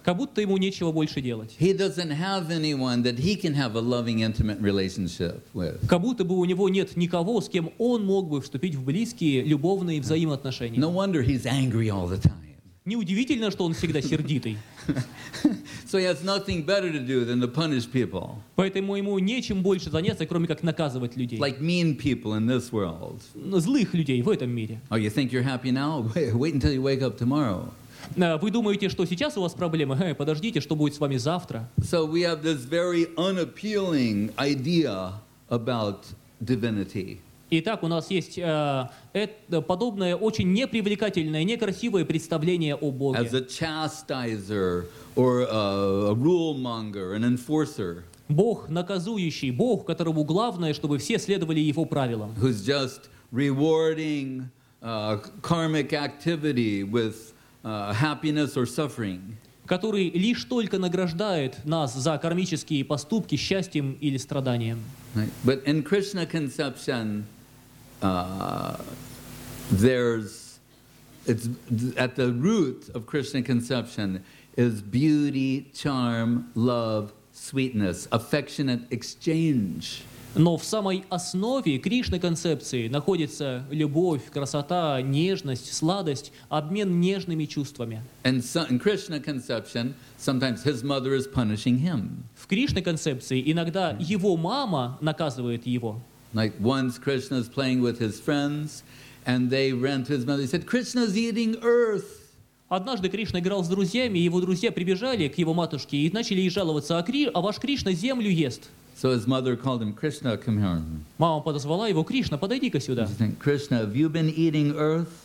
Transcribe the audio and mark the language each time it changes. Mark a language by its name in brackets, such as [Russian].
[Russian] Как будто ему нечего больше делать. [English] He doesn't have anyone that he can have a loving, intimate relationship with. [Russian] Как будто бы у него нет никого, с кем он мог бы вступить в близкие, любовные взаимоотношения. [English] No wonder he's angry all the time. [Russian] Неудивительно, что он всегда сердитый. [English] So he has nothing better to do than to punish people. [Russian] Поэтому ему нечем больше заняться, кроме как наказывать людей. [English] Like mean people in this world. [Russian] Злых людей в этом мире. [English] Oh, you think you're happy now? Wait until you wake up tomorrow. [Russian] Вы думаете, что сейчас у вас проблемы? Подождите, что будет с вами завтра? [English] So we have this very unappealing idea about divinity. [Russian] Итак, у нас есть подобное очень непривлекательное, некрасивое представление о Боге. [English] As a chastiser or a rule-monger, an enforcer. [Russian] Бог наказующий, Бог, которому главное, чтобы все следовали его правилам. [English] Who's just rewarding karmic activity with happiness or suffering. [Russian] Который лишь только награждает нас за кармические поступки счастьем или страданием. [English] Right. But in Krishna conception, it's at the root of Krishna conception is beauty, charm, love, sweetness, affectionate exchange. [Russian] Но в самой основе Кришны концепции находится любовь, красота, нежность, сладость, обмен нежными чувствами. [English] And so, in Krishna conception, sometimes his mother is punishing him. [Russian] В Кришны концепции иногда его мама наказывает его. [English] Like once Krishna is playing with his friends, and they ran to his mother. He said, "Krishna is eating earth." [Russian] Однажды Кришна играл с друзьями, и его друзья прибежали к его матушке и начали ей жаловаться: "А ваш Кришна землю ест." [English] So his mother called him, "Krishna, come here." [Russian] Мама подозвала его: "Кришна, подойди-ка сюда." [English] He said, "Krishna, have you been eating earth?"